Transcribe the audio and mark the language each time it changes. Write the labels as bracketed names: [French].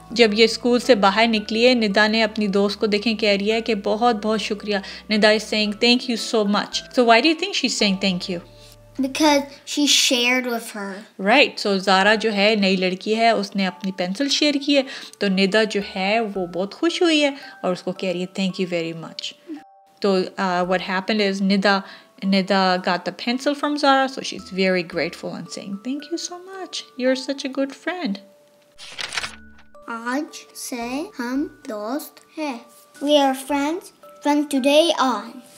[Hindi] जब ये स्कूल से बाहर निकली है निदा ने अपनी दोस्त को देखें कह रही है कि बहुत बहुत शुक्रिया [English] Nida is saying thank you [Hindi] so much so why do you think she is saying thank you [English] Because she shared with her. Right. [Hindi] So Zara जो है नई लड़की है उसने अपनी पेंसिल शेयर की है तो निदा जो है वो बहुत खुश हुई है और उसको कह रही है [English] Thank you very much. तो what happened is Nida got the pencil from Zara, so she's very grateful and saying thank you so much. You're such a good friend. [Hindi] आज से हम दोस्त हैं. [English] We are friends from today on.